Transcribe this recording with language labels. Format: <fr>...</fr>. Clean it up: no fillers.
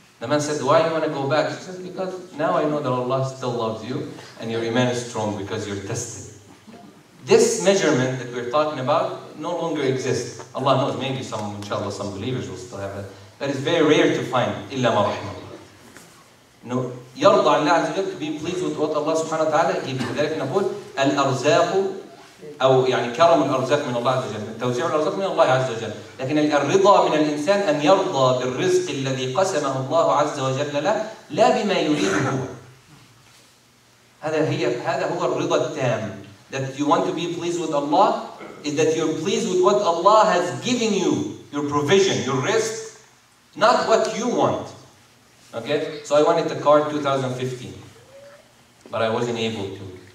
<en>The man said, why do you want to go back? She said, because now I know that Allah still loves you and your iman is strong because you're tested. This measurement that we're talking about no longer exists. Allah knows, maybe some, inshallah, some believers will still have it. That is very rare to find.</en> <ar>Illa ma rahim Allah.</ar> <en>No.</en> <ar>يرضى الله عز وجل</ar> <en>to be pleased with what Allah سبحانه وتعالى gives.</en> <ar>لذلك نقول الأرزاق أو يعني كرم الأرزاق من الله عز وجل، توزيع الأرزاق من الله عز وجل، لكن الرضا من الإنسان أن يرضى بالرزق الذي قسمه الله عز وجل له لا بما يريد هو. هذا هو الرضا التام.</ar> <en>That you want to be pleased with Allah is that you're pleased with what Allah has given you, your provision, your risk, not what you want. Okay, so I wanted a car 2015, but I wasn't able to.</en>